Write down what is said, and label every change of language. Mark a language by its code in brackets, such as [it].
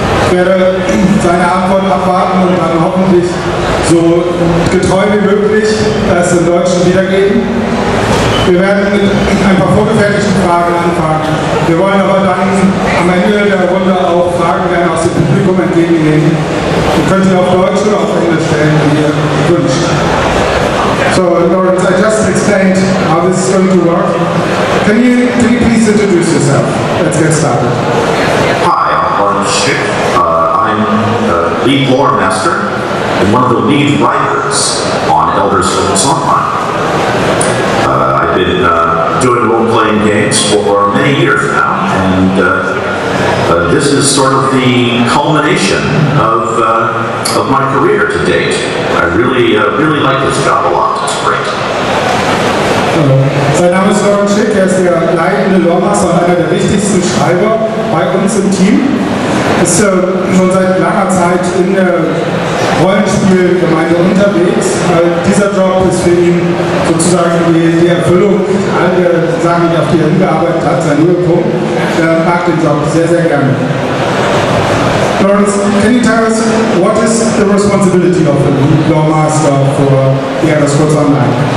[de] Ich werde seine Antwort abwarten und dann hoffentlich so getreu wie möglich das im Deutschen wiedergeben. Wir werden mit ein paar vorgefertigten Fragen anfangen. Wir wollen aber dann am Ende der Runde auch Fragen gerne aus dem Publikum entgegennehmen. Ihr könnt sie auf Deutsch oder auf Englisch stellen, wie ihr wünscht. [en] So, Lawrence, I just explained how this is going to work. Can you please introduce yourself? Let's get started. Hi, I'm Lawrence Schick. I'm the lead lore master and one of the lead writers on Elder Scrolls Online. I've been doing role-playing games for many years now, and this is sort of the culmination of my career to date. I really, really like this job a lot. It's great. [de] Sein Name ist Lawrence Schick, er ist der leitende Loremaster und einer der wichtigsten Schreiber bei uns im Team. Ist schon seit langer Zeit in der Rollenspielgemeinde unterwegs, weil dieser Job ist für ihn sozusagen die Erfüllung all der Sachen, die er auf die er hingearbeitet hat, sein Höhepunkt. Er mag den Job sehr, sehr gerne. [en] Lawrence, can you tell us what is the responsibility of the Loremaster for the Elder Scrolls Online?